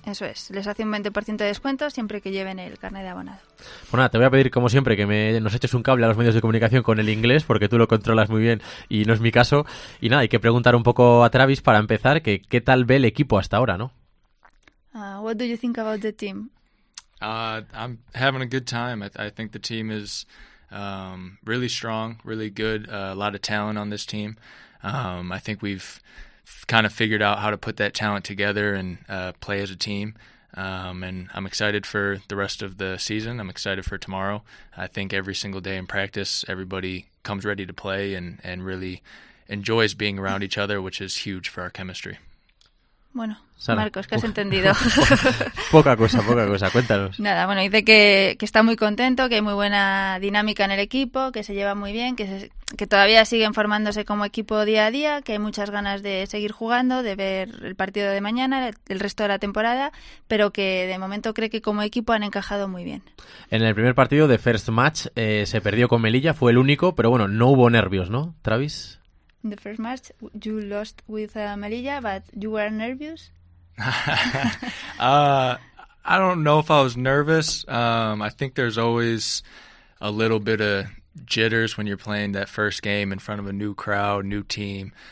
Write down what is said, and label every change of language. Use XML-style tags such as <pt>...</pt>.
<es>Eso es, les hace un 20% de descuento siempre que lleven el carnet de abonado. Bueno, nada, te voy a pedir, como siempre, que nos eches un cable a los medios de comunicación con el inglés, porque tú lo controlas muy bien y no es mi caso. Y nada, hay que preguntar un poco a Travis para empezar, que qué tal ve el equipo hasta ahora, ¿no?</es> <en>What do you think about the team? I'm having a good time. I think the team is really strong, really good, a lot of talent on this team. I think we've kind of figured out how to put that talent together and play as a team. And I'm excited for the rest of the season. I'm excited for tomorrow. I think every single day in practice, everybody comes ready to play and really enjoys being around each other, which is huge for our chemistry.</en> <es>Bueno, Sara. Marcos, ¿qué has entendido? Poca cosa, cuéntanos. Nada, bueno, dice que está muy contento, que hay muy buena dinámica en el equipo, que se lleva muy bien, que todavía siguen formándose como equipo día a día, que hay muchas ganas de seguir jugando, de ver el partido de mañana, el resto de la temporada, pero que de momento cree que como equipo han encajado muy bien. En el primer partido de</es> <en>First Match</en> <es>se perdió con Melilla, fue el único, pero bueno, no hubo nervios, ¿no, Travis?</es> <en>In the first match, you lost with Melilla, but you were nervous? I don't know if I was nervous. I think there's always a little bit of jitters when you're playing that first game in front of a new crowd, new team.</en>